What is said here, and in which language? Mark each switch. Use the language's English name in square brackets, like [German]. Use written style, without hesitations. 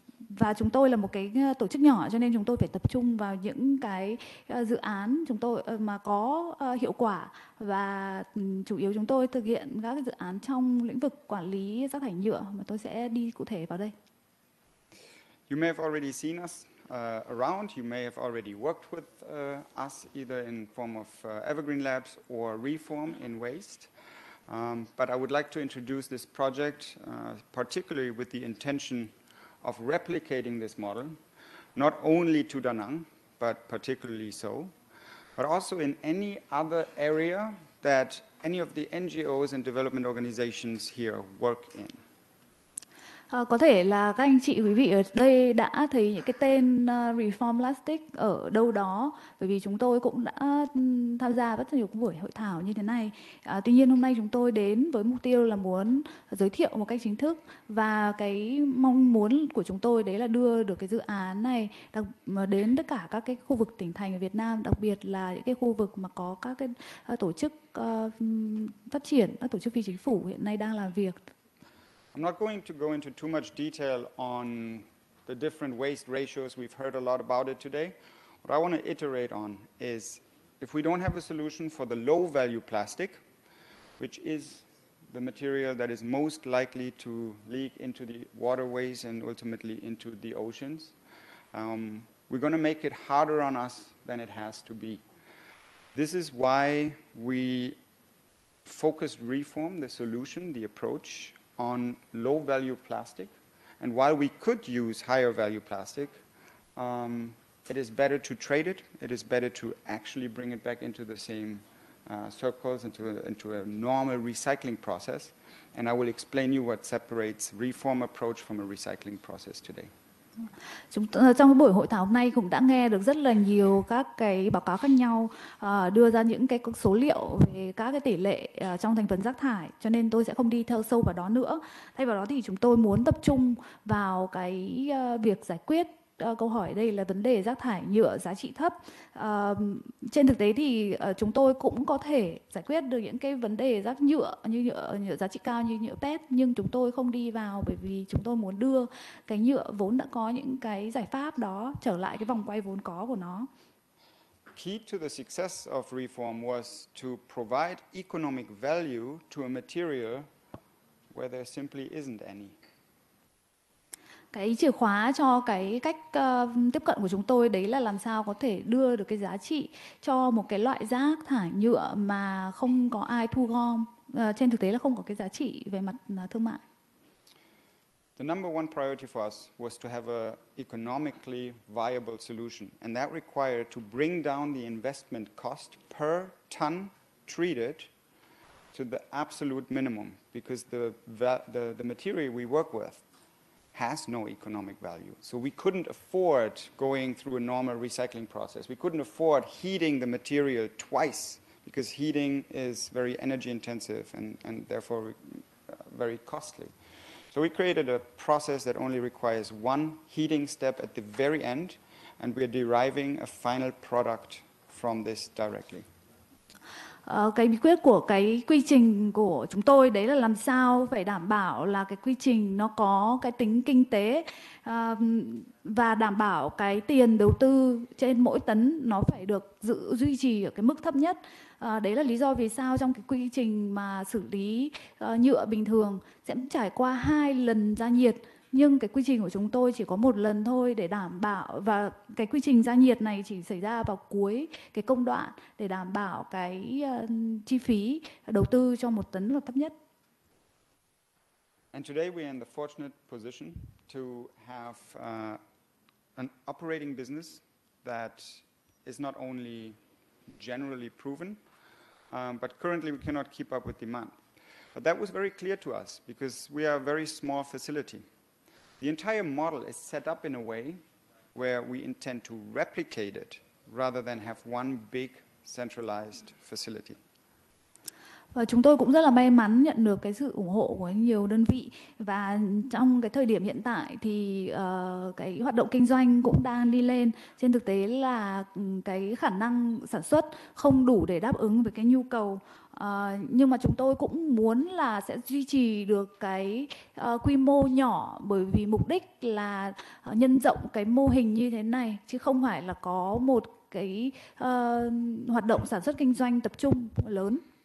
[Vietnamese] Và chúng tôi là một cái tổ chức nhỏ cho nên chúng tôi phải tập trung vào những cái dự án chúng tôi mà có hiệu quả và chủ yếu chúng tôi thực hiện các dự án trong lĩnh vực quản lý rác thải nhựa mà tôi sẽ đi cụ thể vào đây. [English] You may have already seen us around, you may have already worked with us either in form of Evergreen Labs or Reform in Waste. But I would like to introduce this project particularly with the intention of replicating this model, not only to Da Nang, but particularly so, but also in any other area that any of the NGOs and development organizations here work in. [Vietnamese] Có thể là các anh chị, quý vị ở đây đã thấy những cái tên Reform Plastic ở đâu đó, bởi vì chúng tôi cũng đã tham gia rất nhiều buổi hội thảo như thế này. Tuy nhiên hôm nay chúng tôi đến với mục tiêu là muốn giới thiệu một cách chính thức và cái mong muốn của chúng tôi đấy là đưa được cái dự án này đến tất cả các cái khu vực tỉnh thành ở Việt Nam, đặc biệt là những cái khu vực mà có các cái tổ chức phát triển, các tổ chức phi chính phủ hiện nay đang làm việc. [English] I'm not going to go into too much detail on the different waste ratios. We've heard a lot about it today. What I want to iterate on is if we don't have a solution for the low-value plastic, which is the material that is most likely to leak into the waterways and ultimately into the oceans, we're going to make it harder on us than it has to be. This is why we focused Reform, the solution, the approach, on low-value plastic, and while we could use higher-value plastic, it is better to trade it. It is better to actually bring it back into the same circles, into a normal recycling process. And I will explain you what separates Reform approach from a recycling process today. [Vietnamese] Trong buổi hội thảo hôm nay cũng đã nghe được rất là nhiều các cái báo cáo khác nhau đưa ra những cái số liệu về các cái tỷ lệ trong thành phần rác thải, cho nên tôi sẽ không đi theo sâu vào đó nữa. Thay vào đó thì chúng tôi muốn tập trung vào cái việc giải quyết câu hỏi đây là vấn đề rác thải nhựa giá trị thấp. Trên thực tế thì chúng tôi cũng có thể giải quyết được những cái vấn đề rác nhựa như nhựa giá trị cao như nhựa PET, nhưng chúng tôi không đi vào bởi vì chúng tôi muốn đưa cái nhựa vốn đã có những cái giải pháp đó trở lại cái vòng quay vốn có của nó. [English] Key to the success of Reform was to provide economic value to a material where there simply isn't any. [Vietnamese] Cái chìa khóa cho cái cách tiếp cận của chúng tôi đấy là làm sao có thể đưa được cái giá trị cho một cái loại rác thải nhựa mà không có ai thu gom, trên thực tế là không có cái giá trị về mặt thương mại. [English] The number one priority for us was to have a economically viable solution, and that required to bring down the investment cost per ton treated to the absolute minimum, because the material we work with has no economic value. So we couldn't afford going through a normal recycling process. We couldn't afford heating the material twice, because heating is very energy intensive and therefore very costly. So we created a process that only requires one heating step at the very end, and we are deriving a final product from this directly. [Vietnamese] cái bí quyết của cái quy trình của chúng tôi đấy là làm sao phải đảm bảo là cái quy trình nó có cái tính kinh tế và đảm bảo cái tiền đầu tư trên mỗi tấn nó phải được giữ duy trì ở cái mức thấp nhất. Đấy là lý do vì sao trong cái quy trình mà xử lý nhựa bình thường sẽ trải qua 2 lần gia nhiệt, nhưng cái quy trình của chúng tôi chỉ có 1 lần thôi để đảm bảo, và cái quy trình gia nhiệt này chỉ xảy ra vào cuối cái công đoạn để đảm bảo cái chi phí đầu tư cho 1 tấn là thấp nhất. [English] And today we are in the fortunate position to have an operating business that is not only generally proven, but currently we cannot keep up with demand. But that was very clear to us because we are a very small facility. The entire model is set up in a way where we intend to replicate it rather than have one big centralized facility. [Vietnamese] Và chúng tôi cũng rất là may mắn nhận được cái sự ủng hộ của nhiều đơn vị, và trong cái thời điểm hiện tại thì cái hoạt động kinh doanh cũng đang đi lên. Trên thực tế là cái khả năng sản xuất không đủ để đáp ứng với cái nhu cầu, nhưng mà chúng tôi cũng muốn là sẽ duy trì được cái quy mô nhỏ, bởi vì mục đích là nhân rộng cái mô hình như thế này chứ không phải là có một cái hoạt động sản xuất kinh doanh tập trung lớn.